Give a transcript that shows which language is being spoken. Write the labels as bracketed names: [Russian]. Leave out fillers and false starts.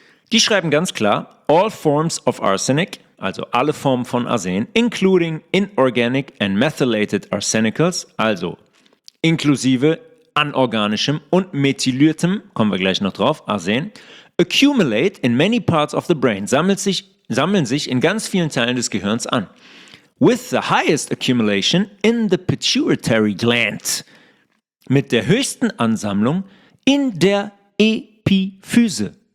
[German] die schreiben ganz klar, [English] all forms of arsenic, [German] also alle Formen von Arsen, [English] including inorganic and methylated arsenicals, [German] also inklusive anorganischem und methyliertem, kommen wir gleich noch drauf, Arsen, [English] accumulate in many parts of the brain, [German] sammeln sich in ganz vielen Teilen des Gehirns an. [English] With the highest accumulation in the pituitary gland. [German] Mit der höchsten Ansammlung in der Epiphyse.